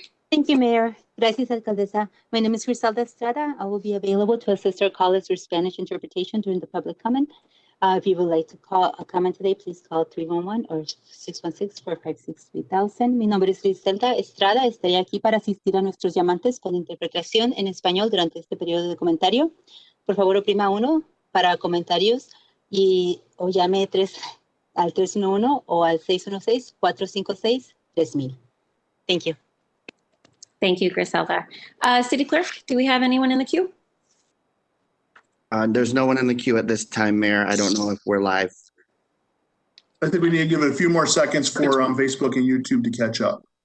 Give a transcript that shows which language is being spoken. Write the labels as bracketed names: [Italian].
[English] Thank you, Mayor. [Spanish] Gracias, Alcaldesa. [English] My name is Griselda Estrada. I will be available to assist our colleagues with Spanish interpretation during the public comment. If you would like to call a comment today, please call 311 or 616-456-3000. [Spanish] Mi nombre es Griselda Estrada. Estaré aquí para asistir a nuestros llamantes con interpretación en español durante este periodo de comentario. Por favor, oprima 1 para comentarios y o llame 3 al 311 o al 616-456-3000. [English] Thank you. Thank you, Griselda. City Clerk, do we have anyone in the queue? There's no one in the queue at this time, Mayor. I don't know if we're live. I think we need to give it a few more seconds for Facebook and YouTube to catch up.